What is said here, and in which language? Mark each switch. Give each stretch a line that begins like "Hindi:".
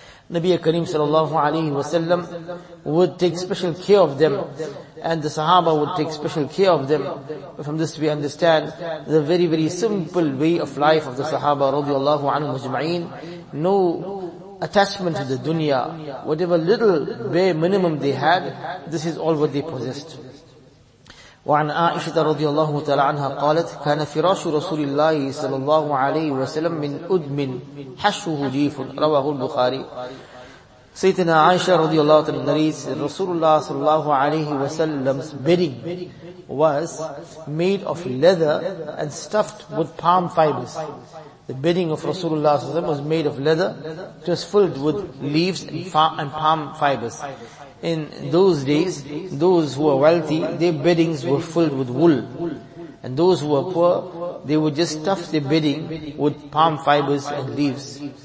English: Nabiya Kareem sallallahu alayhi wa sallam would take special care of them, and the Sahaba would take special care of them. From this we understand the very, very simple way of life of the Sahaba radiallahu anhum ajma'een. No attachment to the dunya. Whatever little bare minimum they had, this is all what they possessed. وعن عائشة رضي الله تعالى عنها قالت كان فراش رسول الله صلى الله عليه وسلم من أدم حشوه جيف. رواه البخاري.
Arabic: سيدنا عائشة رضي الله تعالى عنها رسول الله صلى الله عليه وسلم's
English: bedding was made of leather and stuffed with palm fibers. The bedding of Rasulullah صلى الله عليه وسلم was made of leather. It was filled with leaves and palm fibers. In those days, those who were wealthy, their beddings were filled with wool. And those who were poor, they would just stuff their bedding with palm fibers and leaves.